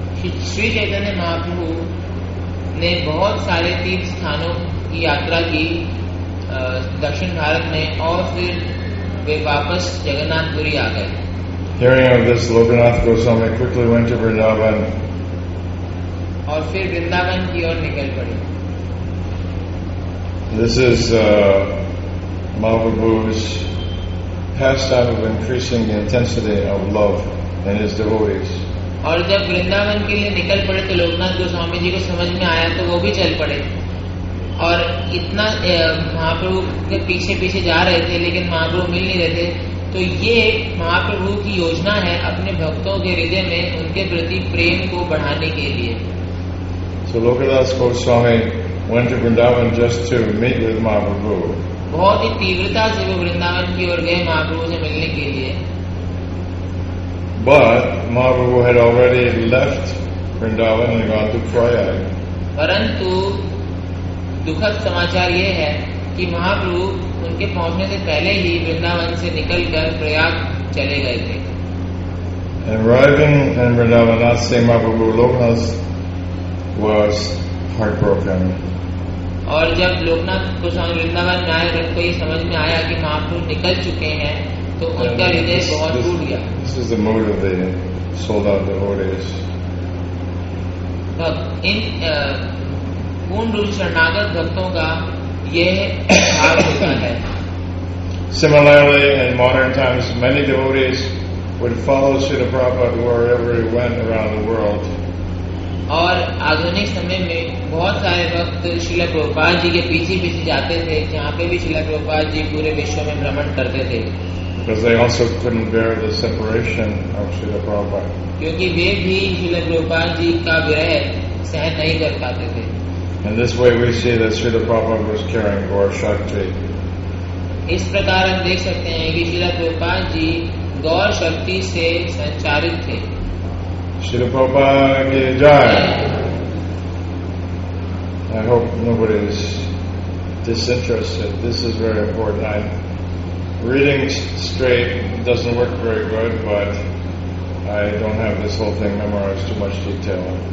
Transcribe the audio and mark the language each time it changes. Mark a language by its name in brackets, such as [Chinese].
[Hindi] श्री चैतन्य महाप्रभु ने बहुत सारे तीर्थ स्थानों की यात्रा की दक्षिण भारत में और फिर वे वापस जगन्नाथपुरी आ गए। [English] Hearing of this, Lokanath Goswami quickly went to Vrindavan. [Hindi] और फिर वृंदावन की ओर निकल पड़े। [English] This is Mahaprabhu's pastime of increasing the intensity of love in his devotees. [Hindi] और जब वृंदावन के लिए निकल पड़े तो लोकनाथ गोस्वामी जी को समझ में आया तो वो भी चल पड़े, और इतना महाप्रभु के पीछे पीछे जा रहे थे लेकिन महाप्रभु मिल नहीं रहे थे, तो ये महाप्रभु की योजना है अपने भक्तों के हृदय में उनके प्रति प्रेम को बढ़ाने के लिए। [English] So Lokanath Goswami went to Vrindavan just to meet with Mahaprabhu. [Hindi] बहुत ही तीव्रता से वो वृंदावन की ओर गए महाप्रभु से मिलने के लिए। [English] But Mahaprabhu had already left Vrindavan and gone to Prayag. [Hindi] परंतु दुखद समाचार ये है कि महाप्रभु उनके पहुंचने से पहले ही वृंदावन से निकलकर प्रयाग चले गए थे। [English] Arriving in Vrindavan, not seeing Mahaprabhu, Lokanath was heartbroken. [Hindi] और जब लोकनाथ गोस्वामी वृंदावन में आए तो ये समझ में आया कि महाप्रभु निकल चुके हैं, तो उनका हृदय बहुत टूट गया। [English] This is the mood of the sold out devotees. [Hindi] इन पूर्ण रूप शरणागत भक्तों का यह हाल होता है। [English] Similarly, in modern times, many devotees would follow Srila Prabhupada wherever he went around the world. [Hindi] और आधुनिक समय में बहुत सारे भक्त श्रील प्रभुपाद जी के पीछे पीछे जाते थे, जहाँ पे भी श्रील प्रभुपाद जी पूरे विश्व में भ्रमण करते थे। [English] Because they also couldn't bear the separation of Srila Prabhupada. [Hindi] क्योंकि वे भी श्रील प्रभुपाद जी का विरह सहन नहीं कर पाते थे। [English] And this way we see that Srila Prabhupada was caring for Shakti. [Hindi] इस प्रकार हम देख सकते हैं कि श्रील प्रभुपाद जी गौर शक्ति से संचारित थे। Srila Prabhupada ki jai. [English] I hope nobody is disinterested. This is very important. I'm reading straight doesn't work very good, but I don't have this whole thing memorized too much detail.